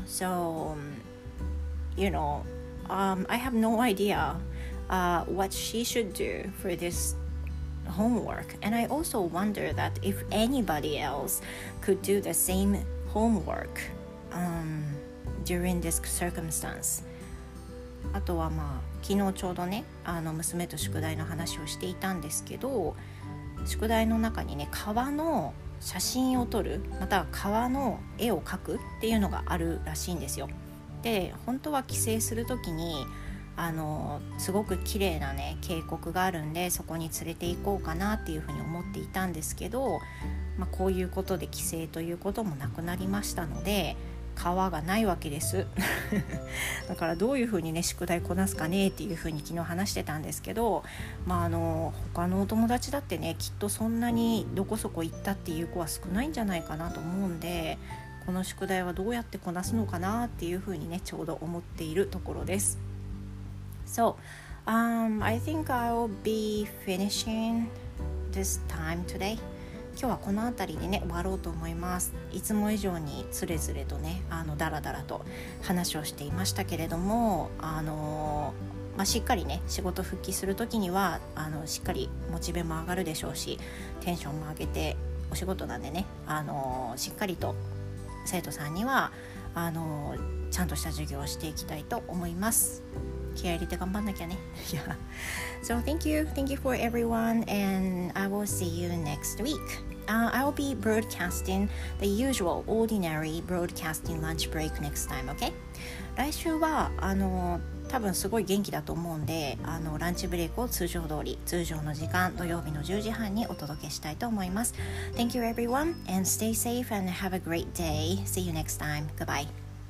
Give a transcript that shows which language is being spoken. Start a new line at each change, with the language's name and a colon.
English: So, you know, I have no idea what she should do for this homework. And I also wonder that if anybody else could do the same homework during this circumstance.
Japanese: あとはまあ昨日ちょうどね、あの娘と宿題の話をしていたんですけど、宿題の中にね、川の写真を撮る、または川の絵を描くっていうのがあるらしいんですよ。で、本当は帰省するときに、あのすごく綺麗なね、渓谷があるんで、そこに連れて行こうかなっていうふうに思っていたんですけど、まあ、こういうことで帰省ということもなくなりましたので、川がないわけですだからどういうふうにね宿題こなすかねっていうふうに昨日話してたんですけど、まああの他のお友達だってね、きっとそんなにどこそこ行ったっていう子は少ないんじゃないかなと思うんで、この宿題はどうやってこなすのかなっていうふうにね、ちょうど思っているところです。
English: So I think I'll be finishing this time today。
Japanese: 今日はこのあたりでね終わろうと思います。いつも以上にズレズレとね、あのダラダラと話をしていましたけれども、まあ、しっかりね仕事復帰するときにはあのしっかりモチベも上がるでしょうし、テンションも上げてお仕事なんでね、しっかりと生徒さんにはちゃんとした授業をしていきたいと思います。気合入れて頑張んなきゃね。
English: So thank you for everyone, and I will see you next week. I will be broadcasting the usual ordinary broadcasting lunch break next time, okay?
Japanese: 来週は多分すごい元気だと思うんで、ランチブレイクを通常通り、通常の時間、土曜日の10時半にお届けしたいと思います。
English: Thank you everyone, and stay safe and have a great day. See you next time. Goodbye.